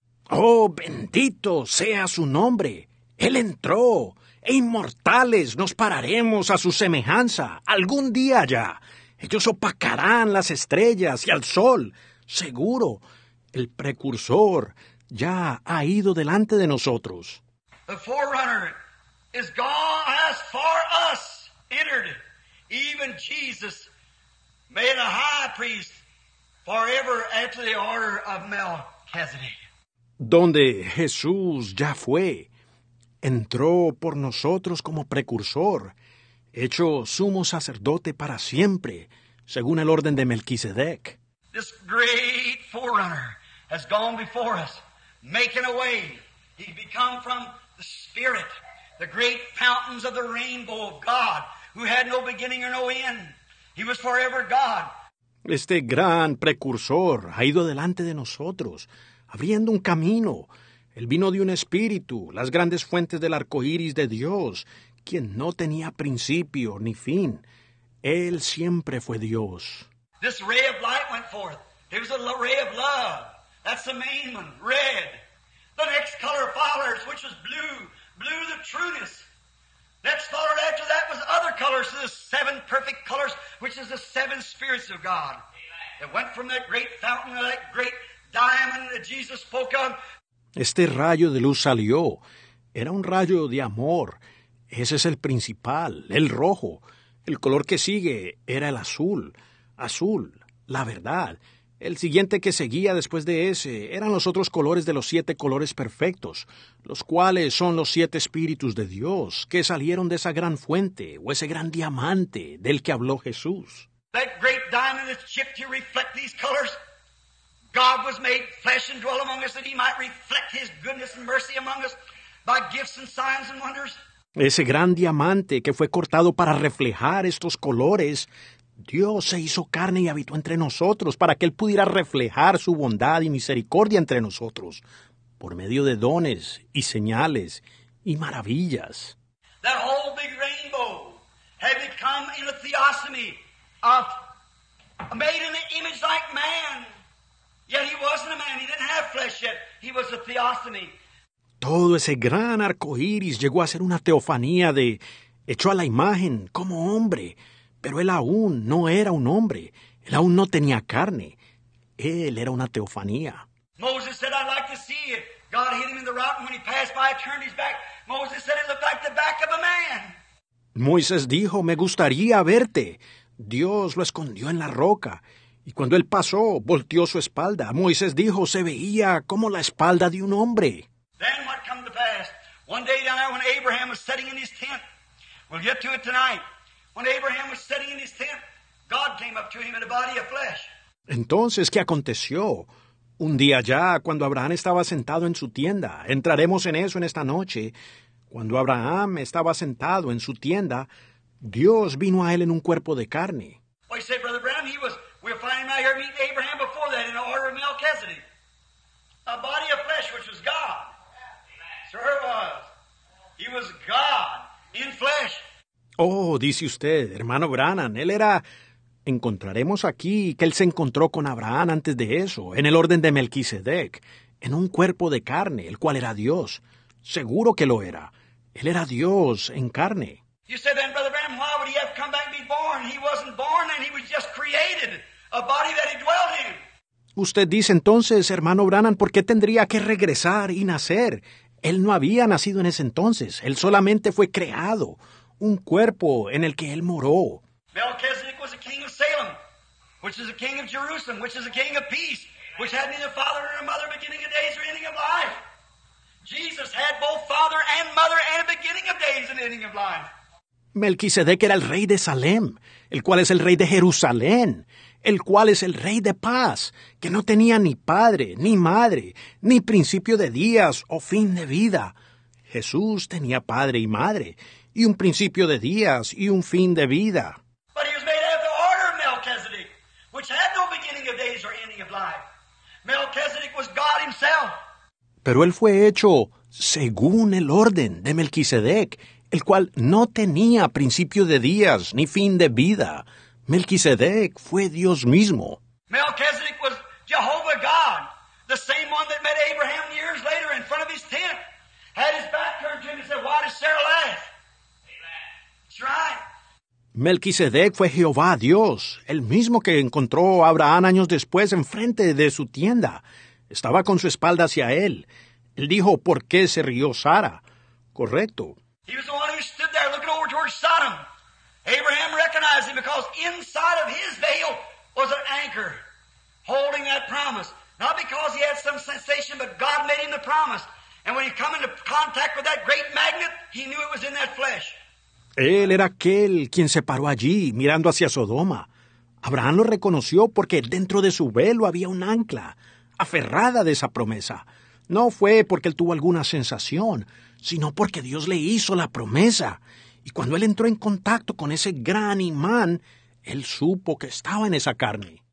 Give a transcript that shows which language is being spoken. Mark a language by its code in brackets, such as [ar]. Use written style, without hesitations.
[es] Oh, bendito sea su nombre. Él entró. E inmortales nos pararemos a su semejanza. Algún día ya. Ellos opacarán las estrellas y al sol. Seguro, el precursor ya ha ido delante de nosotros. [en] The forerunner is gone as for us. Entered. Even Jesus made a high priest. Forever after the order of Melchizedek. [es] Donde Jesús ya fue, entró por nosotros como precursor, hecho sumo sacerdote para siempre, según el orden de Melquisedec. [en] This great forerunner has gone before us, making a way. He's become from the Spirit, the great fountains of the rainbow of God, who had no beginning or no end. He was forever God. [es] Este gran precursor ha ido delante de nosotros, abriendo un camino. Él vino de un espíritu, las grandes fuentes del arco iris de Dios, quien no tenía principio ni fin. Él siempre fue Dios. [en] This ray of light went forth. There was a ray of love. That's the main one, red. The next color follows, which was blue. Blue, the trueness. Next color after that was other colors, the seven perfect colors, which is the seven spirits of God. It went from that great fountain, that great diamond that Jesus spoke of. [es] Este rayo de luz salió. Era un rayo de amor. Ese es el principal, el rojo. El color que sigue era el azul. Azul, la verdad. El siguiente que seguía después de ese eran los otros colores de los siete colores perfectos, los cuales son los siete espíritus de Dios que salieron de esa gran fuente o ese gran diamante del que habló Jesús. [en] That great diamond that's chipped to reflect these colors. God was made flesh and dwelt among us that he might reflect his goodness and mercy among us by gifts and signs and wonders. [es] Ese gran diamante que fue cortado para reflejar estos colores. Dios se hizo carne y habitó entre nosotros para que Él pudiera reflejar su bondad y misericordia entre nosotros por medio de dones y señales y maravillas. [en] That whole big rainbow had become in a theosomy of made in an image like man. Yet he wasn't a man. He didn't have flesh yet. He was a theosomy. [es] Todo ese gran arco iris llegó a ser una teofanía de hecho a la imagen como hombre. Pero él aún no era un hombre. Él aún no tenía carne. Él era una teofanía. [en] Moses said, I'd like to see it. God hit him in the rock, and when he passed by, I turned his back. Moses said, it looked like the back of a man. [es] Moisés dijo, me gustaría verte. Dios lo escondió en la roca. Y cuando él pasó, volteó su espalda. Moisés dijo, se veía como la espalda de un hombre. [en] Then what came to pass? One day down there when Abraham was sitting in his tent. We'll get to it tonight. When Abraham was sitting in his tent, God came up to him in a body of flesh. [es] Entonces, ¿qué aconteció? Un día ya, cuando Abraham estaba sentado en su tienda, entraremos en eso en esta noche, cuando Abraham estaba sentado en su tienda, Dios vino a él en un cuerpo de carne. [en] Well, you say, Brother Branham, we'll find him out here meeting Abraham before that in the order of Melchizedek. A body of flesh, which was God. Sure was. He was God in flesh. [es] Oh, dice usted, hermano Branham, él era... Encontraremos aquí que él se encontró con Abraham antes de eso, en el orden de Melquisedec, en un cuerpo de carne, el cual era Dios. Seguro que lo era. Él era Dios en carne. [en] You said then, Brother Branham, why would he have come back and be born? He wasn't born and he was just created, a body that he dwelt in. [es] Usted dice entonces, hermano Branham, ¿por qué tendría que regresar y nacer? Él no había nacido en ese entonces. Él solamente fue creado. Un cuerpo en el que él moró. [en] Melchizedek was a king of Salem, which is a king of Jerusalem, which is a king of peace, which had neither father nor mother, beginning of days or ending of life. Jesus had both father and mother and a beginning of days and ending of life. [es] Melquisedec era el rey de Salem, el cual es el rey de Jerusalén, el cual es el rey de paz, que no tenía ni padre, ni madre, ni principio de días o fin de vida. Jesús tenía padre y madre, y un principio de días y un fin de vida. [en] But he was made after the order of Melchizedek, which had no beginning of days or ending of life. Melchizedek was God himself. [es] Pero él fue hecho según el orden de Melquisedec, el cual no tenía principio de días ni fin de vida. Melquisedec fue Dios mismo. [en] Melchizedek was Jehovah God, the same one that met Abraham years later in front of his tent, had his back turned to him and said, "Why does Sarah laugh?" That's right. [es] Melquisedec fue Jehová Dios, el mismo que encontró a Abraham años después enfrente de su tienda. Estaba con su espalda hacia él. Él dijo, "¿Por qué se rió Sara?" Correcto. [en] He was the one who stood there looking over towards Sodom. Abraham recognized him because inside of his veil was an anchor holding that promise. Not because he had some sensation, but God made him the promise. And when he came into contact with that great magnet, he knew it was in that flesh. [es] Él era aquel quien se paró allí, mirando hacia Sodoma. Abraham lo reconoció porque dentro de su velo había un ancla, aferrada de esa promesa. No fue porque él tuvo alguna sensación, sino porque Dios le hizo la promesa. Y cuando él entró en contacto con ese gran imán, él supo que estaba en esa carne.